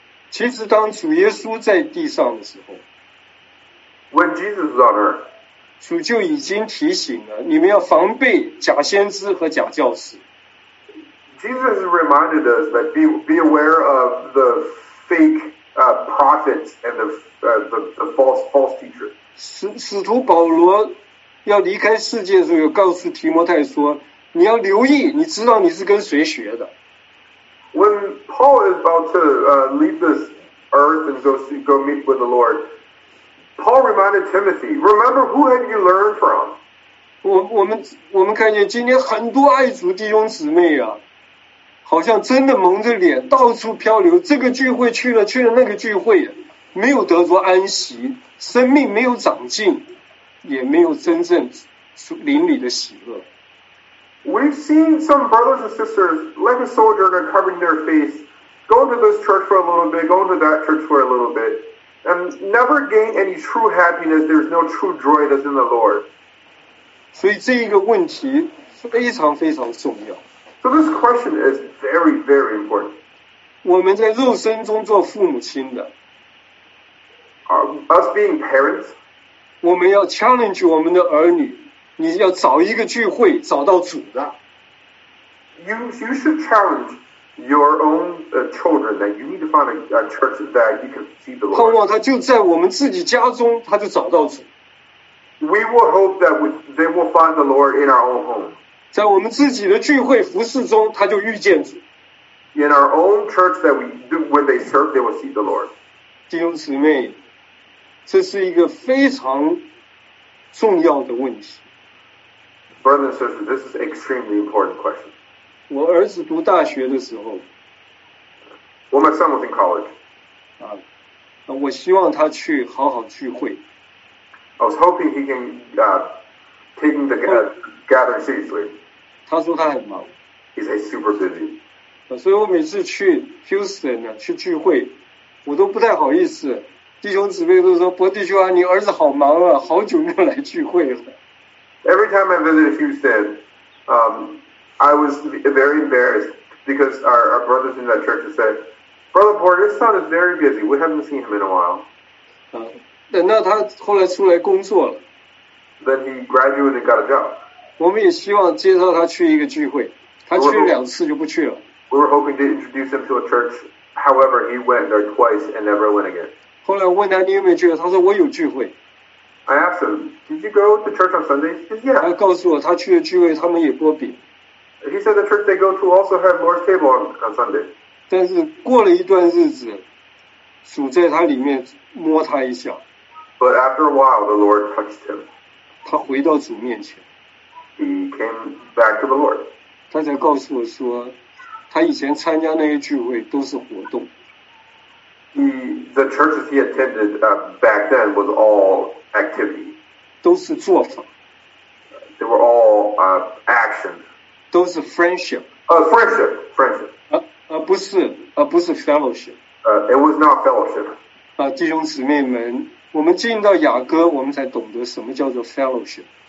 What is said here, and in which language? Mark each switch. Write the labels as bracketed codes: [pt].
[zh] 其实当主耶稣在地上的时候， [en] When Jesus is on earth, [zh] 主就已经提醒了你们要防备假先知和假教师。 [en] Jesus reminded us that be aware of the fake prophets and the false teachers. [zh] 使徒保罗要离开世界的时候，有告诉提摩太说：“你要留意，你知道你是跟谁学的。” [en] When Paul is about to leave this earth and go meet with the Lord, Paul reminded Timothy, "Remember who have you learned from?" [zh] 我们看见今天很多爱主弟兄姊妹啊，好像真的蒙着脸到处漂流，这个聚会去了，去了那个聚会，没有得着安息，生命没有长进。也没有真正灵里的喜乐。 [en] We've seen some brothers and sisters, like a sojourner covering their face, go to this church for a little bit, go to that church for a little bit, and never gain any true happiness. There's no true joy that's in the Lord. [zh] 所以这一个问题非常非常重要。 [en] So this question is very, very important. [zh] 我们在肉身中做父母亲的。 [en] Us being parents, [zh] 我们要 challenge 我们的儿女，你要找一个聚会找到主的。 [en] You should challenge your own children that you need to find a church that you can see the Lord. [zh] 盼望他就在我们自己家中，他就找到主。 [en] We will hope that they will find the Lord in our own home. [zh] 在我们自己的聚会服事中，他就遇见主。 [en] In our own church that we do, when they serve, they will see the Lord. [zh] 弟兄姊妹，这是一个非常重要的问题。 [en] Brother and sister, this is an extremely important question. [zh] 我儿子读大学的时候， [en] Well, my son was in college. [zh] 我希望他去好好聚会。 [en] I was hoping he can take the gathering seriously. [zh] 他说他很忙。 [en] He said he's super busy. [zh] 所以我每次去 Houston 呢，去聚会，我都不太好意思。弟兄姊妹都说，伯弟兄啊，你儿子好忙啊，好久没有来聚会了。 [en] Every time I visited Houston, I was very embarrassed because our brothers in that church said, Brother Porter, his son is very busy. We haven't seen him in a while. [zh] 等到他后来出来工作了。 [en] Then he graduated and got a job. [zh] 我们也希望介绍他去一个聚会，他去两次就不去了。 [en] We were hoping to introduce him to a church. However, he went there twice and never went again. [zh] 后来问他你有没有聚会，他说我有聚会。 [en] I asked him, did you go to church on Sunday? He said, yeah. [zh] 他告诉我他去的聚会他们也拨饼。 [en] He said the church they go to also have Lord's table on Sunday. [zh] 但是过了一段日子，主在他里面摸他一下。 [en] But after a while, the Lord touched him. [zh] 他回到主面前。 [en] He came back to the Lord. [zh] 他才告诉我说，他以前参加那些聚会都是活动。 [en] The churches he attended back then was all activity. [zh] 都是做法。 [en] They were all action. [zh] 都是 friendship. [en] Friendship. [zh] 不是 fellowship. [en] It was not fellowship. [zh] 弟兄姊妹们，我们进到雅歌，我们才懂得什么叫做 fellowship.